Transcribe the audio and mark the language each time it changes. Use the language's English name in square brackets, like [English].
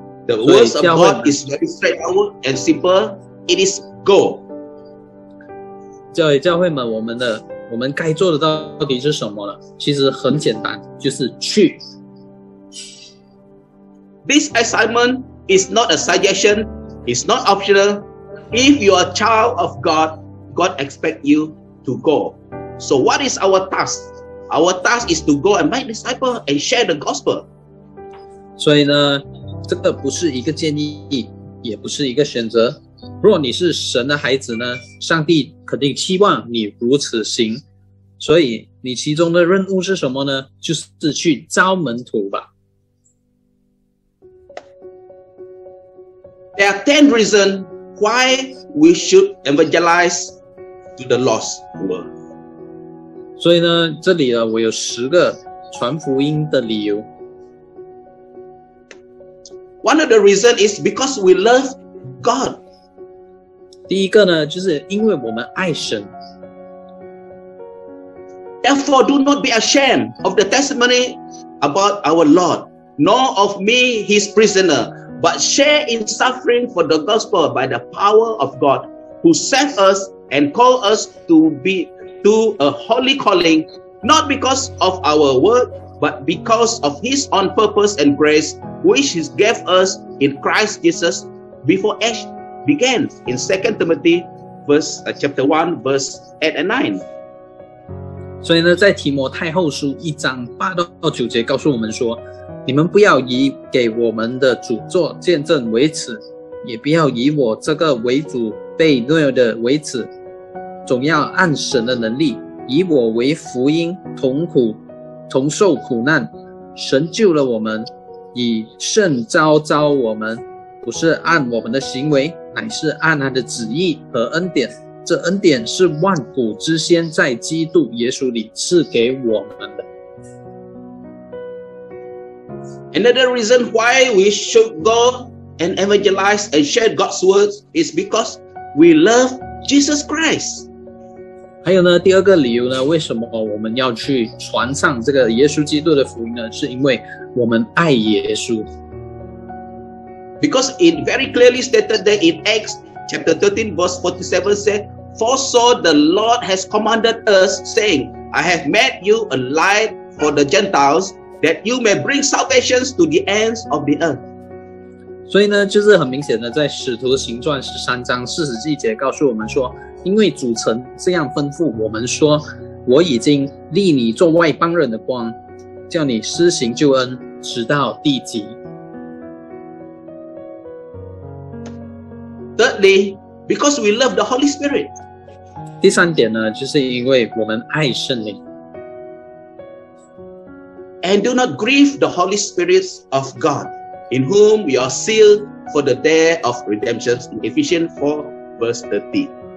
[English] The words of God is very straightforward and simple. It is go. [Chinese] 教会们，我们该做的到底是什么呢？其实很简单，就是去。 [English] This assignment is not a suggestion. It's not optional. If you are a child of God, God expects you to go. So what is our task? Our task is to go and make disciples and share the gospel. [Chinese] 所以呢，这个不是一个建议，也不是一个选择，若你是神的孩子呢，上帝肯定期望你如此行。所以你其中的任务是什么呢？就是去招门徒吧。 [English] There are 10 reasons why we should evangelize to the lost world. [Chinese] 所以呢，这里呢，我有十个传福音的理由。 [English] One of the reasons is because we love God. [Chinese] 第一个呢，就是因为我们爱神。 [English] Therefore, do not be ashamed of the testimony about our Lord, nor of me, his prisoner, but share in suffering for the gospel by the power of God, who saved us and called us to a holy calling, not because of our work, but because of his own purpose and grace, which he gave us in Christ Jesus before age began, in 2 Timothy chapter 1, verse 8 and 9. [Chinese] 所以呢，在提摩太后书一章八到九节告诉我们说，你们不要以给我们的主做见证为耻，也不要以我这个为主被虐的为耻，总要按神的能力，以我为福音，同苦同受苦难。神救了我们，以圣召召我们，不是按我们的行为，乃是按他的旨意和恩典。这恩典是万古之先在基督耶稣里赐给我们的。 [English] Another reason why we should go and evangelize and share God's words is because we love Jesus Christ. [Chinese] 还有呢，第二个理由呢，为什么我们要去传上这个耶稣基督的福音呢？是因为我们爱耶稣。 [English] Because it very clearly stated that in Acts chapter 13 verse 47 said,For so the Lord has commanded us, saying, I have made you a light for the Gentiles, that you may bring salvation to the ends of the earth. [Chinese] 所以呢，就是很明显的，在使徒行传十三章四十七节告诉我们说，因为主曾这样吩咐我们说，我已经立你做外邦人的光，叫你施行救恩，直到地极。 [English] Thirdly,Because we love the Holy Spirit. [Chinese] 第三点呢，就是因为我们爱圣灵。 [English] And do not grieve the Holy Spirit of God, in whom we are sealed for the day of redemption, in Ephesians 4, verse 13.